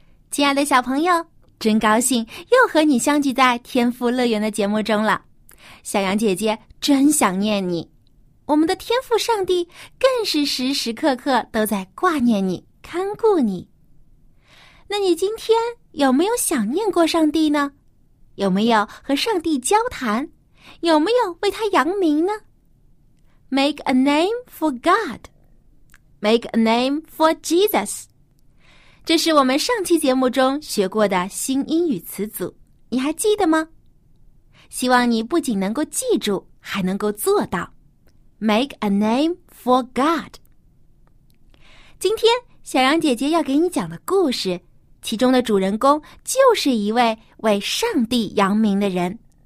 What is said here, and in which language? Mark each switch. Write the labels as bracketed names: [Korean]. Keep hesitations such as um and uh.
[Chinese] 亲爱的小朋友，真高兴又和你相聚在天赋乐园的节目中了。小羊姐姐真想念你，我们的天赋上帝更是时时刻刻都在挂念你、看顾你。那你今天有没有想念过上帝呢？有没有和上帝交谈？有没有为他扬名呢？ [English] Make a name for God. Make a name for Jesus. [Chinese] 这是我们上期节目中学过的新英语词组，你还记得吗？希望你不仅能够记住，还能够做到。 [English] Make a name for God。 [Chinese] 今天小杨姐姐要给你讲的故事，其中的主人公就是一位为上帝扬名的人。